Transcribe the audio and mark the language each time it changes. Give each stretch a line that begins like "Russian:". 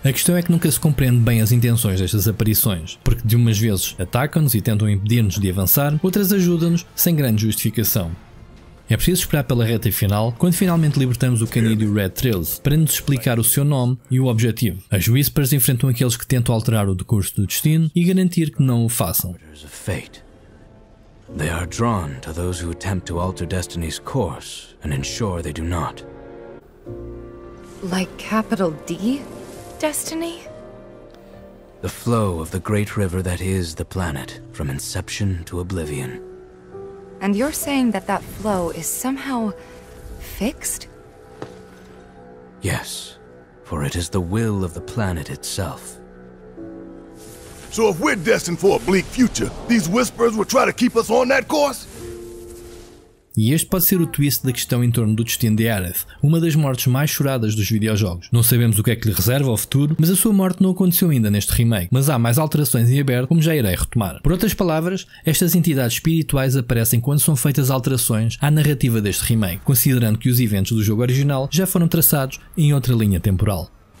Portuguese: A questão é que nunca se compreende bem as intenções destas aparições, porque de umas vezes atacam-nos e tentam impedir-nos de avançar, outras ajudam-nos sem grande justificação. É preciso esperar pela reta final, quando finalmente libertamos o canídeo Red Trails, para nos explicar o seu nome e o objetivo. As Whispers enfrentam aqueles que tentam alterar o decurso do destino e garantir que não o façam.
English: They are drawn to those who attempt to alter destiny's course and ensure they do not. Like capital D, destiny? The flow of the great river that is the planet, from inception to oblivion. And you're saying that that flow is somehow fixed? Yes, for it is the will of the planet itself. So if we're destined for a bleak future, these whispers will try to keep us on that course?
Portuguese: E este pode ser o twist da questão em torno do destino de Aerith, uma das mortes mais choradas dos videojogos. Não sabemos o que é que lhe reserva ao futuro, mas a sua morte não aconteceu ainda neste remake, mas há mais alterações em aberto, como já irei retomar. Por outras palavras, estas entidades espirituais aparecem quando são feitas alterações à narrativa deste remake, considerando que os eventos do jogo original já foram traçados em outra linha temporal.